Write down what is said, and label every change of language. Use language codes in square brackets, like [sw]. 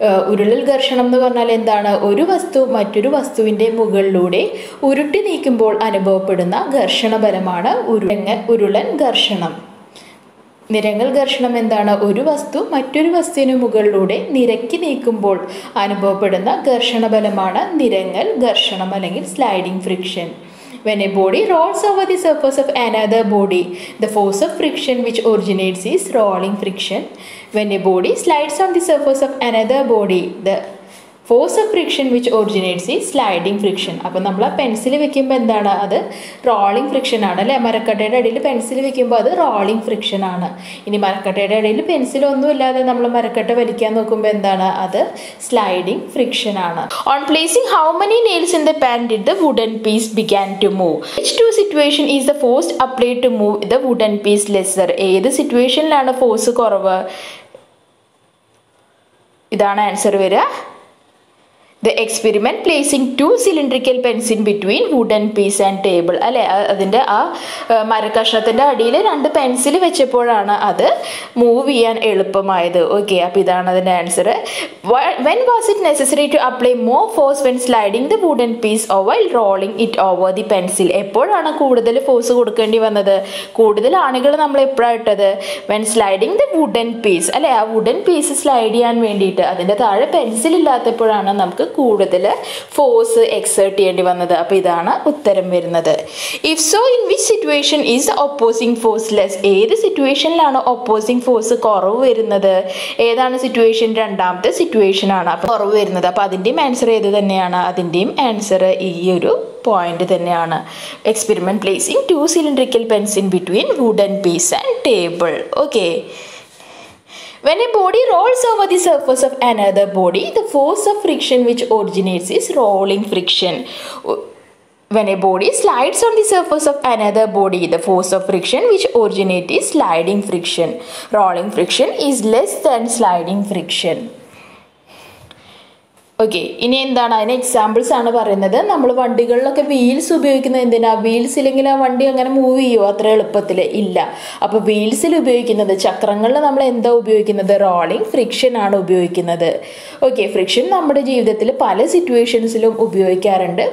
[ml] ഉരുളൽ ഘർഷണം എന്ന് പറഞ്ഞാൽ എന്താണ്, ഒരു വസ്തു മറ്റൊരു വസ്തുവിൻ്റെ മുകളിലൂടെ ഉരുട്ടി നീക്കുമ്പോൾ അനുഭവപ്പെടുന്ന ഘർഷണപരമാണ് ഉരുളൻ ഘർഷണം. നിരങ്ങൽ ഘർഷണം എന്താണ്, ഒരു വസ്തു മറ്റൊരു വസ്തുവിന് മുകളിലൂടെ നിരക്കി നീക്കുമ്പോൾ അനുഭവപ്പെടുന്ന ഘർഷണബലമാണ് നിരങ്ങൽ ഘർഷണം അല്ലെങ്കിൽ sliding friction. [en] When a body rolls over the surface of another body, the force of friction which originates is rolling friction. When a body slides on the surface of another body, the force of friction which originates is sliding friction. [ml] അപ്പോൾ നമ്മൾ ആ pencil വെക്കുമ്പോൾ എന്താണ്, അത് rolling friction ആണ് അല്ലേ. മരക്കട്ടയുടെ അടിയിൽ pencil വെക്കുമ്പോൾ അത് റോളിംഗ് ഫ്രിക്ഷൻ ആണ്. ഇനി മരക്കട്ടയുടെ അടിയിൽ പെൻസിൽ ഒന്നുമില്ലാതെ നമ്മൾ മരക്കട്ട വലിക്കാൻ നോക്കുമ്പോൾ എന്താണ്, അത് സ്ലൈഡിംഗ് ഫ്രിക്ഷൻ ആണ്. [en] On placing how many nails in the pan did the wooden piece began to move. Which to situation is the force applied to move the wooden piece lesser. [ml] ഏത് സിറ്റുവേഷനിലാണ് force കുറവ്? ഇതാണ് answer വരിക. [en] The experiment placing two cylindrical pens in between wooden piece and table. [ml] അല്ലേ, അതിൻ്റെ ആ മരക്കഷ്ണത്തിൻ്റെ അടിയിൽ രണ്ട് pencil വെച്ചപ്പോഴാണ് അത് മൂവ് ചെയ്യാൻ എളുപ്പമായത്. [en] okay, [ml] അപ്പോൾ ഇതാണ് അതിൻ്റെ answer. [en] When was it necessary to apply more force when sliding the wooden piece over rolling it over the pencil. [ml] എപ്പോഴാണ് കൂടുതൽ ഫോഴ്സ് കൊടുക്കേണ്ടി വന്നത്, കൂടുതൽ ആണികൾ നമ്മൾ എപ്പോഴാണ് ഇട്ടത്? [en] when sliding the wooden piece [ml] അല്ലേ, ആ വുഡൻ പീസ് സ്ലൈഡ് ചെയ്യാൻ വേണ്ടിയിട്ട് അതിൻ്റെ താഴെ പെൻസിൽ ഇല്ലാത്തപ്പോഴാണ് നമുക്ക് കൂടുതൽ ഫോഴ്സ് എക്സേർട്ട് ചെയ്യേണ്ടി വന്നത്. അപ്പോൾ ഇതാണ് ഉത്തരം വരുന്നത്. [en] If so in which situation is the opposing force less. [ml] ഏത് സിറ്റുവേഷനിലാണ് ഒപ്പോസിംഗ് ഫോഴ്സ് കുറവ് വരുന്നത്? ഏതാണ് സിറ്റുവേഷൻ? രണ്ടാമത്തെ സിറ്റുവേഷനാണ് അപ്പോൾ കുറവ് വരുന്നത്. അപ്പോൾ അതിൻ്റെയും ആൻസർ ഏത് തന്നെയാണ്? അതിൻ്റെയും ആൻസർ ഈ ഒരു പോയിന്റ് തന്നെയാണ്. [en] Experiment placing two cylindrical pens in between wooden piece and table. Okay, When a body rolls over the surface of another body, the force of friction which originates is rolling friction. When a body slides on the surface of another body, the force of friction which originates is sliding friction. Rolling friction is less than sliding friction. [ml] Okay, ഇനി എന്താണ് അതിന് examples ആണ് പറയുന്നത്. നമ്മൾ വണ്ടികളിലൊക്കെ wheels ഉപയോഗിക്കുന്നത് എന്തിനാ? Wheels ഇല്ലെങ്കിൽ ആ വണ്ടി അങ്ങനെ മൂവ് ചെയ്യുമോ അത്ര എളുപ്പത്തിൽ? ഇല്ല. അപ്പോൾ വീൽസിൽ ഉപയോഗിക്കുന്നത്, ചക്രങ്ങളിൽ നമ്മൾ എന്താ ഉപയോഗിക്കുന്നത്? റോളിംഗ് ഫ്രിക്ഷൻ ആണ് ഉപയോഗിക്കുന്നത്. ഓക്കെ, ഫ്രിക്ഷൻ നമ്മുടെ ജീവിതത്തിൽ പല സിറ്റുവേഷൻസിലും ഉപയോഗിക്കാറുണ്ട്.